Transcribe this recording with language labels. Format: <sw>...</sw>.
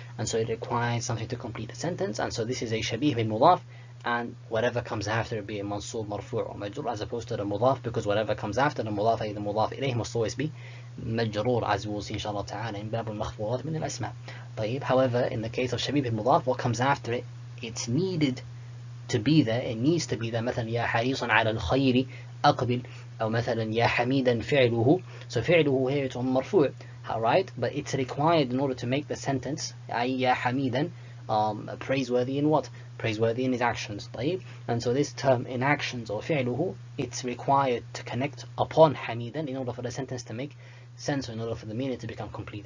<en>And so it requires something to complete the sentence. And so this is a shabih bin mudaf, and whatever comes after it, be a mansub, marfu' or majrur, as opposed to the mudaf, because whatever comes after the mudaf, the mudaf ilayh, must always be majrur, as we will see inshallah ta'ala in bab al-makhfurat min al-asma. However, in the case of shabih bin mudaf, what comes after it, it's needed to be there. It needs to be there.</en> <ar>مثلا يا حريصا على الخير أقبل أو مثلا يا حميدا فعله.</ar> <en>So فعله here it's on marfu'. Alright, but it's required in order to make the sentence ya hamidan praiseworthy in what? Praiseworthy in his actions.</en> <ar>طيب.</ar> <en>And so this term in actions or fi'luhu, it's required to connect upon hamidan in order for the sentence to make sense, in order for the meaning to become complete.</en>